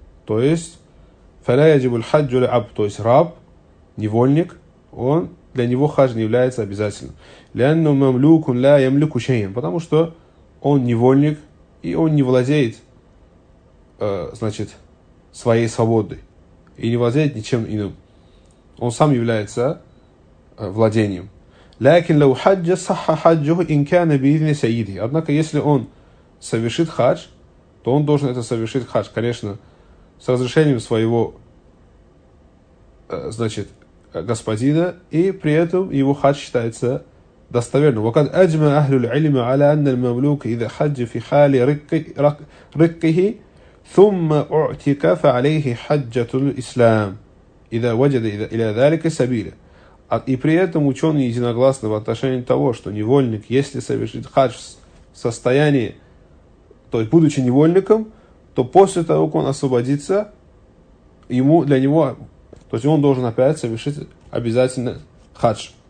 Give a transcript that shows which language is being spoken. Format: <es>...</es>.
<ru>То есть,</ru> <ar>фаля яджибу аль-хаджу ли-аб,</ar> <ru>то есть раб, невольник, он, для него хадж не является обязательным.</ru> <ar>Лианну мамлюкун ля ямлюку шейн,</ar> <ru>потому что он невольник, и он не владеет, значит, своей свободой. И не владеет ничем иным. Он сам является владением.</ru> <ar>لكن لو حج صح حجه إن كان بإذن سيده.</ar> <ru>Однако, если он совершит хадж, то он должен это совершить хадж, конечно, с разрешением своего, значит, господина, и при этом его хадж считается достоверно.</ru> <ar>وقد أجمع أهل العلم على أن المملوك إذا حج في حال ركه ثم أعتق فعليه حجة الإسلام إذا وجد إلى ذلك سبيلا.</ar> <ru>И при этом ученые единогласны в отношении того, что невольник, если совершит хадж в состоянии, то есть будучи невольником, то после того, как он освободится, ему, для него, то есть он должен опять совершить обязательно хадж.</ru>